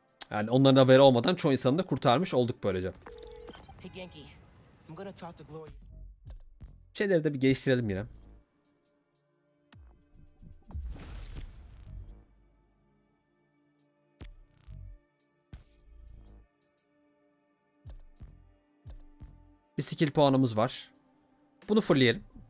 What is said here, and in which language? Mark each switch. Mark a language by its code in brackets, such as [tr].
[tr] Yani onların haberi olmadan çoğu insanı da kurtarmış olduk böylece. [en] Hey Genki, I'm gonna talk to Glory. [tr] Şeyleri de bir geliştirelim yine. Bir skill puanımız var. Bunu fırlayalım.